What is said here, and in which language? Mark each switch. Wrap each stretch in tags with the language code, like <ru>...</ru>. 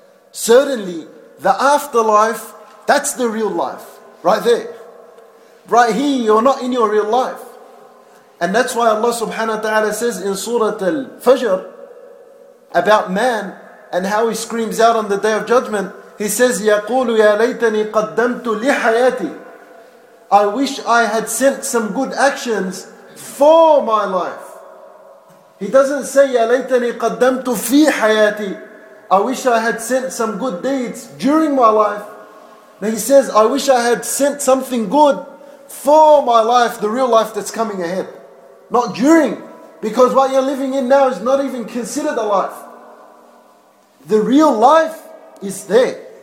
<en>Certainly, the afterlife, that's the real life. Right there. Right here, you're not in your real life. And that's why Allah subhanahu wa ta'ala says in Surah Al-Fajr about man, and how he screams out on the Day of Judgment.</en> <ar>He says, يَقُولُ يَا لَيْتَنِي قَدَّمْتُ لِحَيَاتِي.</ar> <en>I wish I had sent some good actions for my life.</en> <ar>He doesn't say, يَا لَيْتَنِي قَدَّمْتُ فِي حَيَاتِي.</ar> <en>I wish I had sent some good deeds during my life. Then he says, I wish I had sent something good for my life, the real life that's coming ahead. Not during, because what you're living in now is not even considered a life. The real life is there.</en>